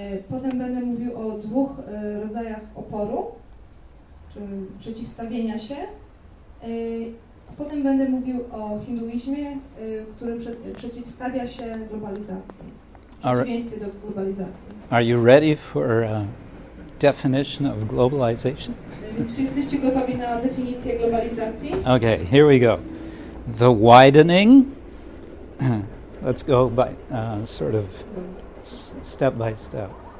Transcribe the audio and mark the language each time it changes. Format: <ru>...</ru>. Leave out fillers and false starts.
<pl>Potem będę mówił o dwóch rodzajach oporu, czy przeciwstawienia się. Potem będę mówił o hinduizmie, który przeciwstawia się globalizacji. Przeciwieństwie do globalizacji.</pl> <en>Are you ready for a definition of globalization?</en> <pl>Więc czy jesteście gotowi na definicję globalizacji?</pl> <en>Okay, here we go. The widening, let's go by sort of step by step.</en>